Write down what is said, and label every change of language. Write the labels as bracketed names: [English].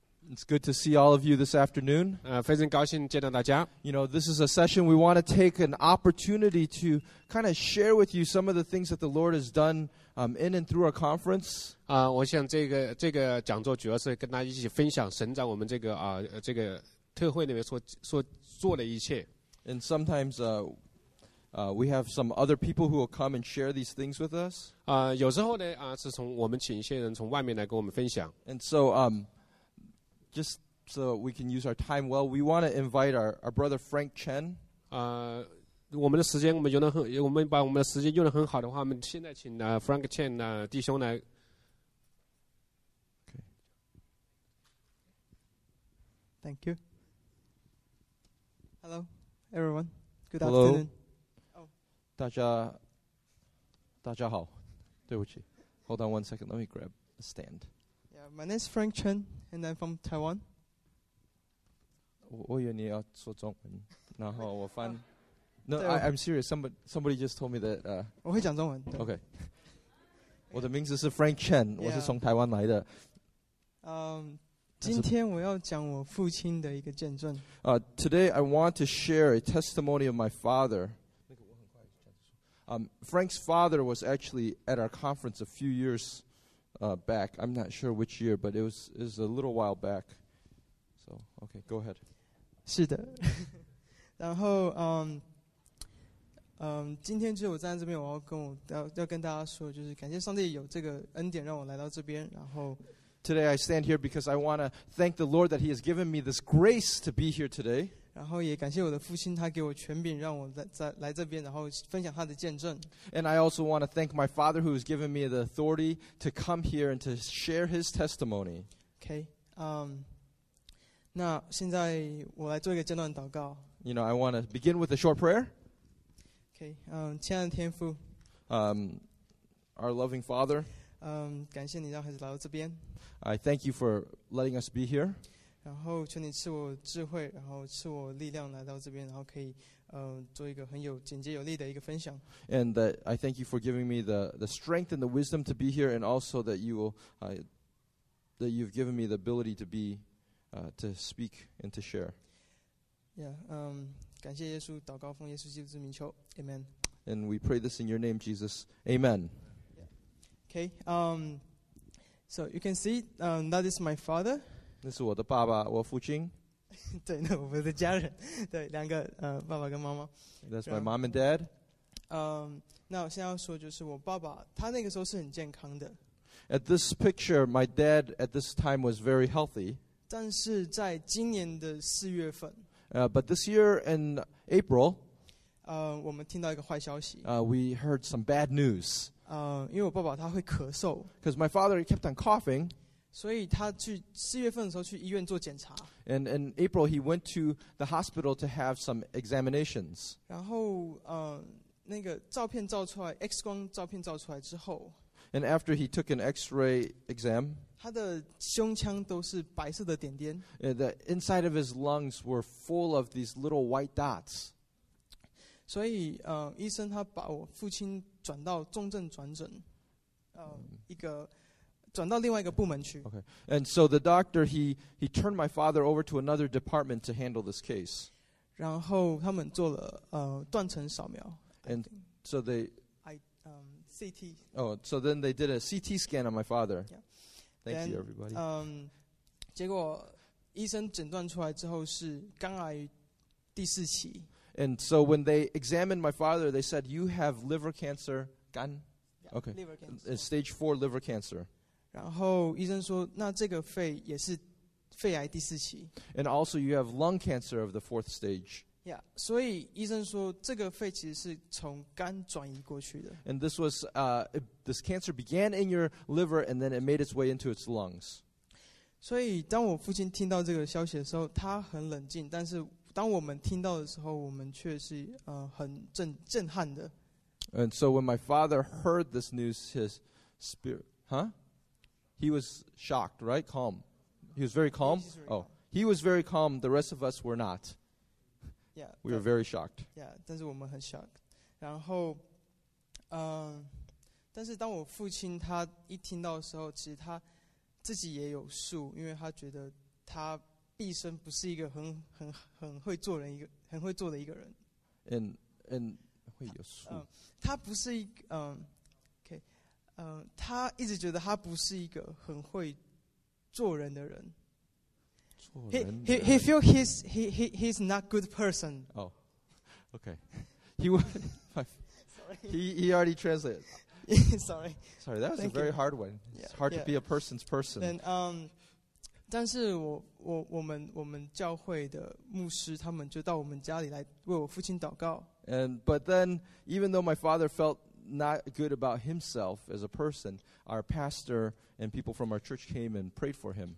[English] It's good to see all of you this afternoon. [Chinese] 非常高兴见到大家。 [English] You know, this is a session we want to take an opportunity to kind of share with you some of the things that the Lord has done in and through our conference. [Chinese] 我想这个讲座主要是跟大家一起分享神在我们这个特会里面所做的一切。 [English] And sometimes we have some other people who will come and share these things with us. [Chinese] 有时候呢，是从我们请一些人从外面来跟我们分享。 [English] And so, just so we can use our time well, we want to invite our brother Frank Chen. [Chinese] 我们的时间我们把我们的时间用得很好的话，我们现在请Frank Chen弟兄来。 [English] Okay. Thank you. Hello, everyone. Good Hello. Afternoon. [Chinese] 大家好，对不起。 [English] Hold on one second, let me grab a stand. Yeah, my name is Frank Chen, and I'm from Taiwan. [Chinese] 我以为你要说中文，然后我翻。 [English] No, I'm serious. Somebody just told me that. [Chinese] 我会讲中文。 Okay. 我的名字是 Frank Chen, 我是从台湾来的。今天我要讲我父亲的一个见证。 [English] Today I want to share a testimony of my father. Frank's father was actually at our conference a few years back. I'm not sure which year, but it was a little while back. So, okay, go ahead. [Chinese] 是的。然后，今天就我站在这边，我要跟我要跟大家说，就是感谢上帝有这个恩典让我来到这边，然后。 [English] Today I stand here because I want to thank the Lord that He has given me this grace to be here today. [Chinese] 然后也感谢我的父亲，他给我权柄，让我来这边，然后分享他的见证。 [English] And I also want to thank my father who has given me the authority to come here and to share his testimony. [Chinese] Okay, 那现在我来做一个简短祷告。 [English] You know, I want to begin with a short prayer. [Chinese] Okay, 亲爱的天父。 [English] Our loving Father. [Chinese] 感谢你让孩子来到这边。 [English] I thank you for letting us be here. [Chinese] 然后求你赐我智慧，然后赐我力量来到这边，然后可以，做一个很有简洁有力的一个分享。 [English] And that I thank you for giving me the strength and the wisdom to be here, and also that you will, that you've given me the ability to be, to speak and to share. [Chinese] Yeah, 感谢耶稣，祷告奉耶稣基督之名求 ，Amen. [English] And we pray this in your name, Jesus, Amen. Yeah. Okay. So you can see, that is my father. [Chinese] 那是我的爸爸，我父亲。对，那我们的家人，对，两个爸爸跟妈妈。 [English] That's my mom and dad. [Chinese] 那我现在要说就是我爸爸，他那个时候是很健康的。 [English] At this picture, my dad at this time was very healthy. [Chinese] 但是在今年的四月份。 [English] But this year in April. [Chinese] 我们听到一个坏消息。 [English] We heard some bad news. [Chinese] 因为我爸爸他会咳嗽。 [English] Because my father kept on coughing. [Chinese] 所以他去四月份的时候去医院做检查。 [English] And in April, he went to the hospital to have some examinations. [Chinese] 然后，那个照片照出来 ，X 光照片照出来之后 [English] ，And after he took an X-ray exam, [Chinese] 他的胸腔都是白色的点点。 [English] The inside of his lungs were full of these little white dots. [Chinese] 所以，医生他把我父亲转到重症转诊，一个。转到另外一个部门去。 [English] Okay. And so the doctor, he turned my father over to another department to handle this case. [Chinese] 然后他们做了断层扫描。 [English] And so they... CT. Oh, so then they did a CT scan on my father. Yeah. Thank you, everybody. [Chinese] 结果医生诊断出来之后是肝癌第四期。 [English] And so when they examined my father, they said, you have liver cancer, 肝? Yeah, okay. Liver cancer. Stage 4 liver cancer. [Chinese] 然后医生说，那这个肺也是肺癌第四期。 [English] And also you have lung cancer of the fourth stage. [Chinese] Yeah, 所以医生说，这个肺其实是从肝转移过去的。 [English] And this was, this cancer began in your liver and then it made its way into its lungs. 所以当我父亲听到这个消息的时候，他很冷静，但是当我们听到的时候，我们却是很震撼的。 And so when my father heard this news, his spirit, huh? He was shocked, right? Calm. He was very calm. Yeah, very calm. Oh, he was very calm. The rest of us were not. Yeah. We were very shocked. [Chinese] Yeah, 但是我们很 shocked. 然后, 但是当我父亲他一听到的时候，其实他自己也有数，因为他觉得他毕生不是一个很会做人一个很会做的一个人。 And 会有数。他不是一个他一直觉得他不是一个很会做人的人。 [English] He feel he's not good person. Oh, okay. He already translated. Sorry, that was Thank a very you. Hard one. It's yeah, hard to be a person's person. [Chinese] Then, 但是我们教会的牧师他们就到我们家里来为我父亲祷告。 [English] But then, even though my father felt not good about himself as a person, our pastor and people from our church came and prayed for him.